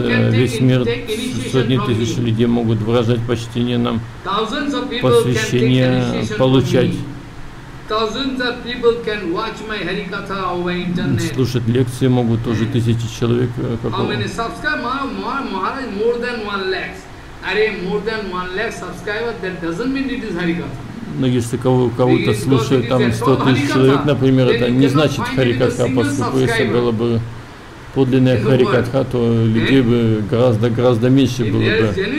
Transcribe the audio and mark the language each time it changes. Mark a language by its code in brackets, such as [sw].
[ru] Весь мир, сотни тысяч людей могут выражать почтение нам, посвящение получать. [en] Thousands of people can watch my Harikatha over internet. [ru] Слушать лекции могут тоже тысячи человек. [en] How many subscribers? Maharaj, more than 1 lakh. Are more than 1 lakh subscribers? That doesn't mean it is Harikatha. [ru] Но если кого-то слушают, там 100 тысяч человек, например, это не значит харикатха, поскольку если было бы подлинная харикатха, то людей бы гораздо-гораздо меньше было бы.